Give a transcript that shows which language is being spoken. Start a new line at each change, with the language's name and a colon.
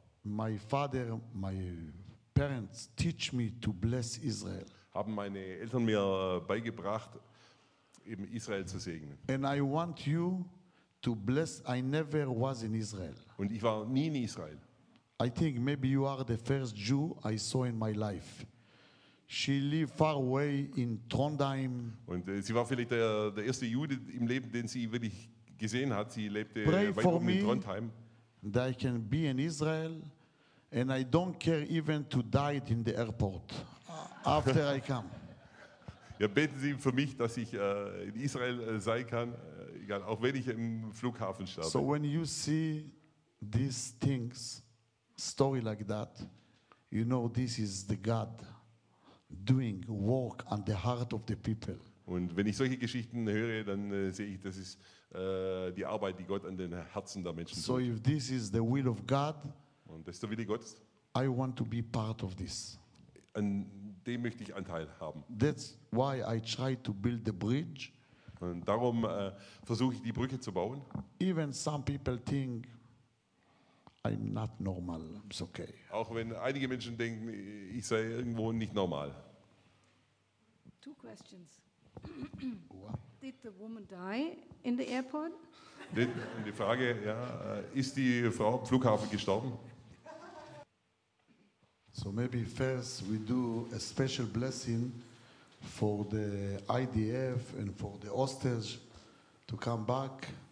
English: My father, my parents teach me to bless Israel.
German: Haben meine Eltern mir beigebracht, eben Israel zu segnen.
English: And I want you to bless. I never was in Israel.
German: Und ich war nie in Israel.
English: I think maybe you are the first Jew I saw in my life. She lived far away in Trondheim.
German: Und sie war vielleicht der erste Jude im Leben, den sie wirklich gesehen hat. Sie lebte
English: pray
German: weit oben in Trondheim.
English: That I can be in Israel. And I don't care even to die in the airport after I come.
German: Ja, beten Sie für mich, dass ich in Israel sein kann, egal, auch wenn ich im Flughafen sterbe.
English: So when you see these things, story like that, you know this is the God doing work on the heart of the people.
German: Und wenn ich solche Geschichten höre, dann sehe ich, das ist die Arbeit, die Gott an den Herzen der Menschen tut.
English: So if this is the will of God,
German: und das ist der Wille Gottes.
English: I want to be part of this.
German: An dem möchte ich Anteil haben.
English: That's why I try to build the bridge.
German: Und darum versuche ich die Brücke zu bauen.
English: Even some people think I'm not normal, it's okay.
German: Auch wenn einige Menschen denken, ich sei irgendwo nicht normal.
English: Two questions. Did the woman die in the airport?
German: Die Frage, ja, ist die Frau am Flughafen gestorben?
English: So maybe first we do a special blessing for the IDF and for the hostage to come back.